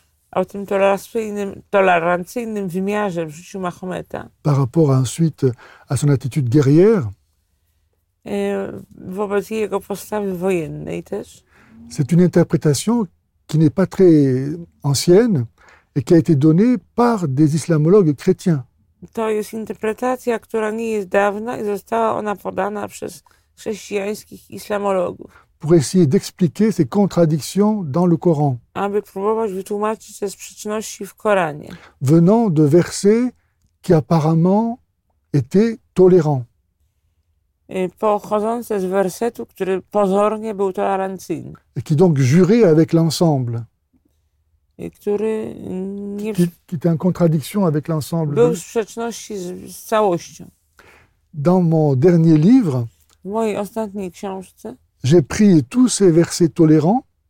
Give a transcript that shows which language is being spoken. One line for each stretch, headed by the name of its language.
French: par rapport ensuite à son attitude guerrière,
Polish: wobec jego postawy wojennej też.
French: C'est une interprétation qui n'est pas très ancienne et qui a été donnée par des islamologues chrétiens.
Polish: To jest interpretacja, która nie jest dawna i została ona podana przez chrześcijańskich islamologów.
French: Pour essayer d'expliquer ces contradictions dans le Coran.
Polish: Aby próbować wytłumaczyć te sprzeczności w Koranie.
French: Venant de versets qui apparemment étaient tolérants.
Polish: Pochodzące z wersetu, który pozornie był tolerancyjny.
French: Et qui donc jurait avec l'ensemble.
Polish: Et który nie...
French: qui était en contradiction avec l'ensemble.
Polish: Był w sprzeczności z całością.
French: Dans mon dernier livre,
Polish: w mojej ostatniej książce,
French: j'ai pris tous ces versets tolérants.